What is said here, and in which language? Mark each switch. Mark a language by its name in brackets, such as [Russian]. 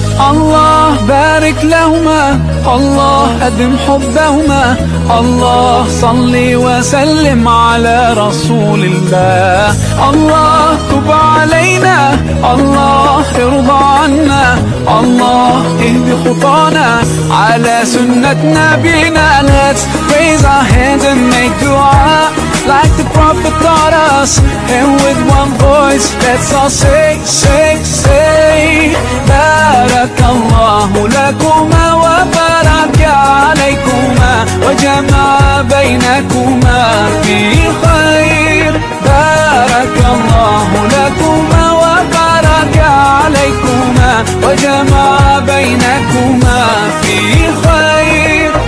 [Arabic] الله بارك لهما. الله أدم حبهما. الله صلي وسلم على رسول الله. الله تب علينا. الله ارضى عنا. الله اهد خطانا على سنة نبينا. [English] Let's raise our hands and make dua like the Prophet taught us. And with one voice, let's all say, say, say. [Arabic] بارك الله لكما وبارك عليكما وجمع بينكما في خير. بارك الله لكما وبارك عليكما وجمع بينكما في خير.